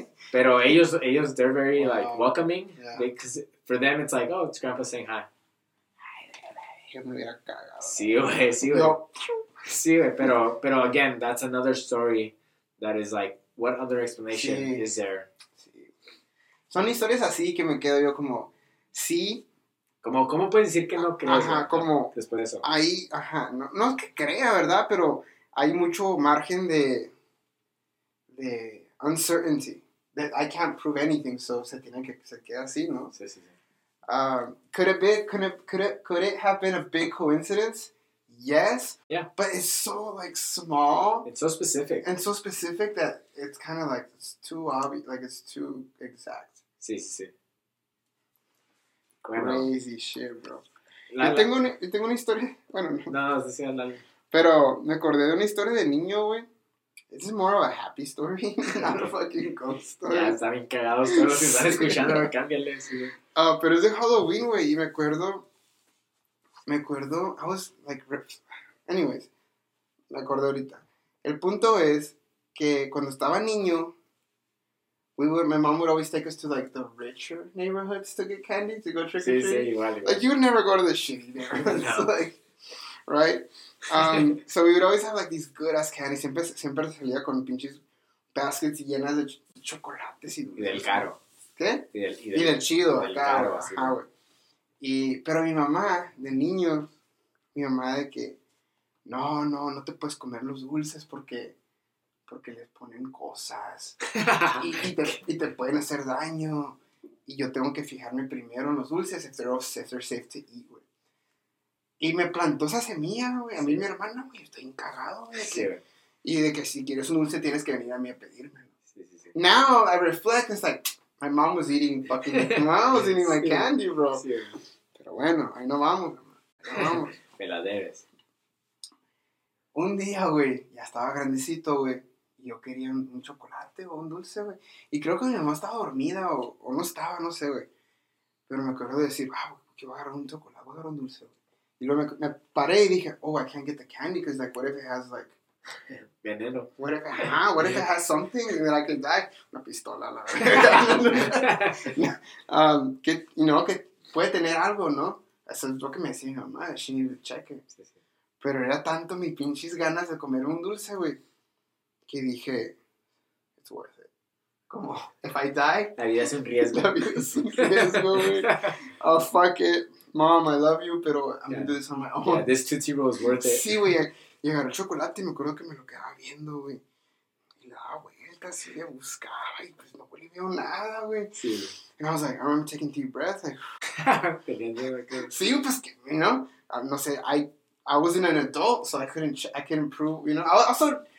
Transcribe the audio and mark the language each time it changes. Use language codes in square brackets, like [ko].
[es] Pero ellos, [en] they're very, wow. Like, welcoming. Because for them, it's like, oh, it's grandpa saying hi. [es] Ay, yo me hubiera cagado. Sí, güey, sí, güey. Sí, güey, pero [en] again, that's another story that is like, what other explanation is there? [es] Sí. Son historias así que me quedo yo como, sí, ¿Cómo puedes decir que no crees? Ajá, ¿verdad? Como... Después de eso. Ahí, ajá, no es que crea, ¿verdad? Pero hay mucho margen de uncertainty. [en] That I can't prove anything, so [es] se tiene que... Se queda así, ¿no? Sí, sí, sí. [en] Could it have been a big coincidence? Yes. Yeah. But it's so, like, small. It's so specific. And so specific that it's kind of, like, it's too obvious. Like, it's too exact. [es] Sí, sí, sí. Bueno. [en] Crazy shit, bro. [es] Yo tengo una historia. Bueno, no. No, sí, sí, la. Pero me acordé de una historia de niño, güey. [en] This is more of a happy story, not a fucking ghost story. [es] Ya, está bien cagado. Solo si están escuchando, cámbiale. Ah, sí. Pero es de Halloween, güey. Y me acuerdo. [en] I was like. [es] Anyways, me acordé ahorita. El punto es que cuando estaba niño. [en] My mom would always take us to, like, the richer neighborhoods to get candy, to go trick-or-treat. [es] Sí, sí, igual. [en] Like, you would never go to the shitty neighborhoods, no. Like, right? so we would always have, like, these good-ass candies. [es] Siempre salía con pinches baskets llenas de chocolates y dulces. Y del caro. ¿Qué? Y del chido. Del caro. Ajá, güey. Y, pero mi mamá, de niño, mi mamá de que, no te puedes comer los dulces porque les ponen cosas y te pueden hacer daño. Y yo tengo que fijarme primero en los dulces, [en] if they're safe to eat, [es] güey. Y me plantó esa semilla, güey. A mí y mi hermana, güey, estoy encagado, güey. Sí, y de que si quieres un dulce, tienes que venir a mí a pedirme. Sí, sí, sí. [en] Now I reflect, it's like, my mom was eating fucking, my candy, bro. [es] Sí, pero bueno, ahí no vamos, mamá. Me la debes. Un día, güey, ya estaba grandecito, güey. Yo quería un chocolate o un dulce, güey. Y creo que mi mamá estaba dormida o no estaba, no sé, güey. Pero me acuerdo de decir, wow, que voy a agarrar un chocolate, voy a agarrar un dulce, güey. Y luego me paré y dije, oh, [en] I can't get the candy, because, like, what if it has, like... [es] Veneno. [en] What if it has something that I can die? [es] Una pistola, la verdad. que, you know, que puede tener algo, ¿no? Eso es lo que me decía mi mamá, [en] she needed to check it. [es] Sí, sí. Pero era tanto mis pinches ganas de comer un dulce, güey. Que dije, [en] it's worth it. Como, if I die. [es] La vida es un riesgo. La vida es un riesgo, güey. [en] Oh, fuck it. Mom, I love you, pero I'm gonna do this on my own. Yeah, this Tootsie Roll is worth it. [es] Sí, güey. Y agarré el chocolate y me acuerdo que me lo quedaba viendo, güey. Y la vuelta, así le buscaba y pues no volví a ver nada, güey. Sí. [en] And I was like, I remember taking deep breath. [es] Sí, pues, que, [en] you know, [es] no sé, [en] I wasn't an adult, so I couldn't prove, you know, I also...